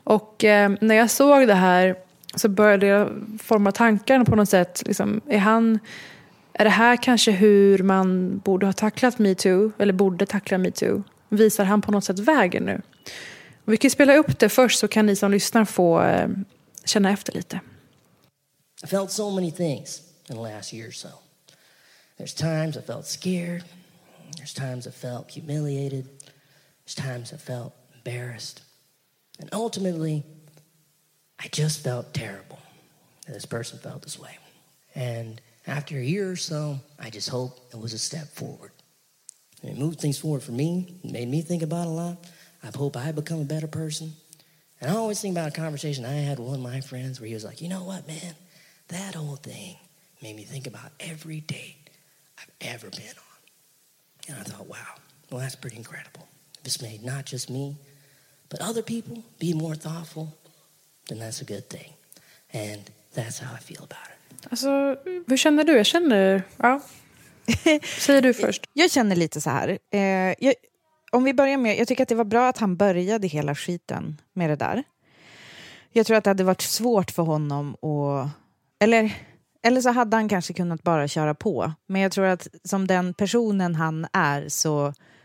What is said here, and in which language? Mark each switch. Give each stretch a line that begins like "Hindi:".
Swedish: Och när jag såg det här så började jag forma tankarna på något sätt. Liksom, är det här kanske hur man borde ha tacklat MeToo? Eller borde tackla MeToo? Visar han på något sätt vägen nu? Vi kan spela upp det först så kan ni som lyssnar få känna efter lite.
English: I felt so many things in the last year or so. There's times I felt scared. There's times I felt humiliated. There's times I felt embarrassed. And ultimately, I just felt terrible that this person felt this way. And after a year or so, I just hope it was a step forward. And it moved things forward for me. It made me think about a lot. I hope I become a better person. And I always think about a conversation I had with one of my friends where he was like, you know what, man? That whole thing made me think about every date I've ever been on. And I thought, wow, well, that's pretty incredible. This made not just me, but other people be more thoughtful, then that's a good thing. And that's how I feel about it.
Swedish: Alltså, hur känner du? Jag känner, ja. Säger du först? Jag känner lite så här. Om vi börjar med, jag tycker att det var bra att han började hela skiten med det där. Jag tror att det hade varit svårt för honom att, eller så hade han kanske kunnat bara köra på. Men jag tror att som den personen han är så